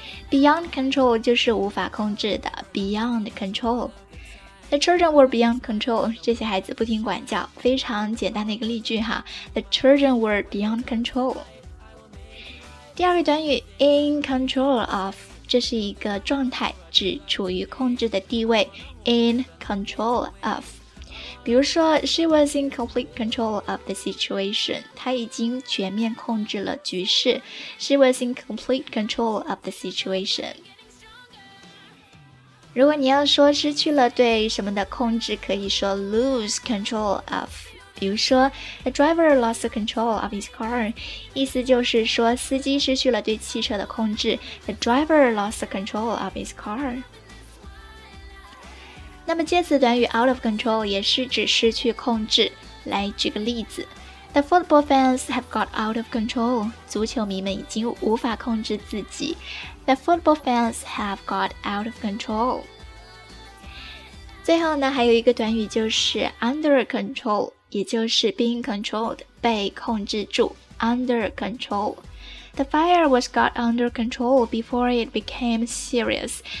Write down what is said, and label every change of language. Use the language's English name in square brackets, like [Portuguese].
[English] Beyond control [Chinese] 就是无法控制的 [English] Beyond control The children were beyond control [Chinese] 这些孩子不听管教非常简单的一个例句哈 [English] The children were beyond control [Chinese] 第二个短语 [English] In control of [Chinese] 这是一个状态指处于控制的地位 [English] In control ofBe sure she was in complete control of the situation. [Chinese] 她已经全面控制了局势。 [English] She was in complete control of the situation. [Chinese] 如果你要说失去了对什么的控制，可以说 lose control of. 比如说 [English] The driver lost control of his car [Chinese] 意思就是说司机失去了对汽车的控制。 [English] The driver lost control of his car. [Chinese] 那么介词短语 out of control 也是指失去控制。来举个例子 [English] ，The football fans have got out of control. [Chinese] 足球迷们已经无法控制自己。 [English] The football fans have got out of control. [Chinese] 最后呢，还有一个短语就是 [English] under control， [Chinese] 也就是 [English] being controlled， [Chinese] 被控制住。 [English] Under control. The fire was got under control before it became serious.